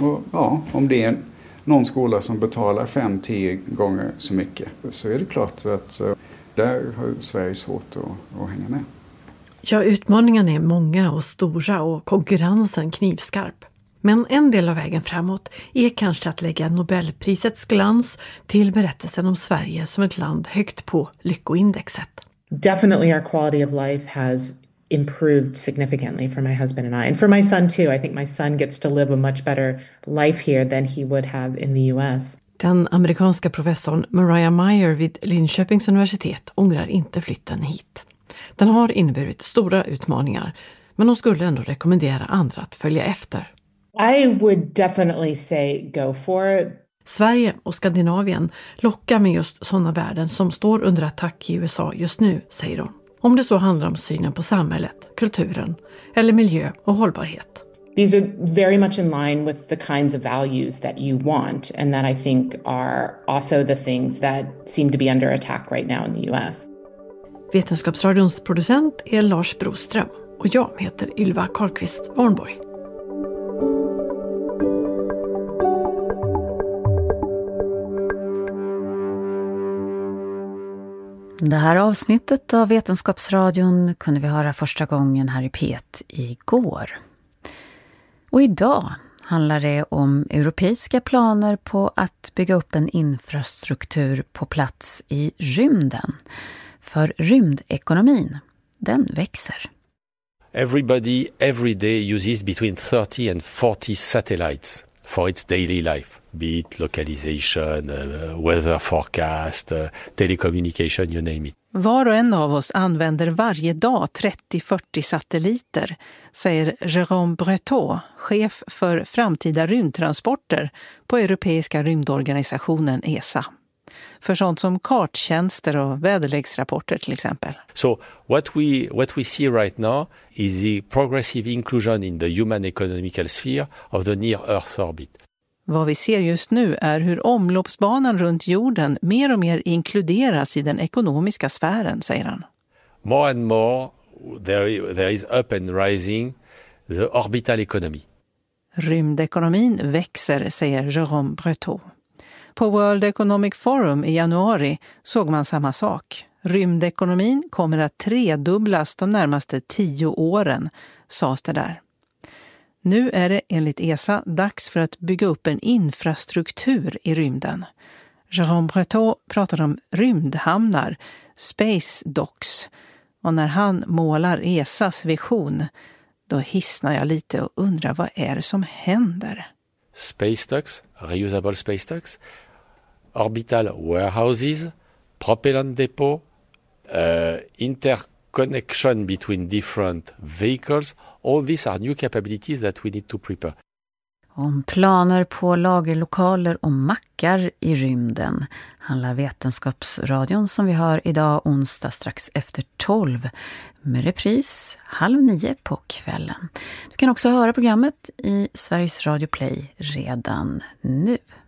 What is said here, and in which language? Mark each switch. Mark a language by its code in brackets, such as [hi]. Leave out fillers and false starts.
[sv] Och ja, om det är någon skola som betalar 5-10 gånger så mycket, så är det klart att där har Sverige svårt att hänga med. Ja, utmaningarna är många och stora och konkurrensen knivskarp. Men en del av vägen framåt är kanske att lägga Nobelprisets glans till berättelsen om Sverige som ett land högt på lyckoindexet. [en] Definitely our quality of life has improved significantly for my husband and I, and for my son too. I think my son gets to live a much better life here than he would have in the US. [sv] Den amerikanska professorn Mariah Meyer vid Linköpings universitet ångrar inte flytten hit. Den har inneburit stora utmaningar, men hon skulle ändå rekommendera andra att följa efter. [en] I would definitely say go for it. [sv] Sverige och Skandinavien lockar med just sådana värden som står under attack i USA just nu, säger hon. Om det så handlar om synen på samhället, kulturen eller miljö och hållbarhet. [en] These are very much in line with the kinds of values that you want and that I think are also the things that seem to be under attack right now in the US. [sv] Vetenskapsradions producent är Lars Broström och jag heter Ylva Karlqvist Warnborg. Det här avsnittet av Vetenskapsradion kunde vi höra första gången här i P1 igår. Och idag handlar det om europeiska planer på att bygga upp en infrastruktur på plats i rymden. För rymdekonomin, den växer. [en] Everybody every day uses between 30 and 40 satellites for its daily life. Be it localization, weather forecast, telecommunication, you name it. [sv] Var och en av oss använder varje dag 30-40 satelliter, säger Jérôme Breton, chef för framtida rymdtransporter på Europeiska rymdorganisationen ESA. För sånt som karttjänster och väderleksrapporter till exempel. [en] So what we see right now is the progressive inclusion in the human economical sphere of the near Earth orbit. [sv] Vad vi ser just nu är hur omloppsbanan runt jorden mer och mer inkluderas i den ekonomiska sfären, säger han. [en] More and more there is up and rising the orbital economy. [sv] Rymdekonomin växer, säger Jérôme Breton. På World Economic Forum i januari såg man samma sak. Rymdekonomin kommer att tredubblas de närmaste 10 åren, sades det där. Nu är det, enligt ESA, dags för att bygga upp en infrastruktur i rymden. Jérôme Breton pratar om rymdhamnar, space docks. Och när han målar ESAs vision, Då hissnar jag lite och undrar vad är det som händer. [en] Space docks, reusable space docks, orbital warehouses, propellant depot, interconnection between different vehicles. All these are new capabilities that we need to prepare. [sv] Om planer på lagerlokaler och mackar i rymden handlar Vetenskapsradion som vi hör idag onsdag strax efter 12 med repris 8:30 på kvällen. Du kan också höra programmet i Sveriges Radio Play redan nu.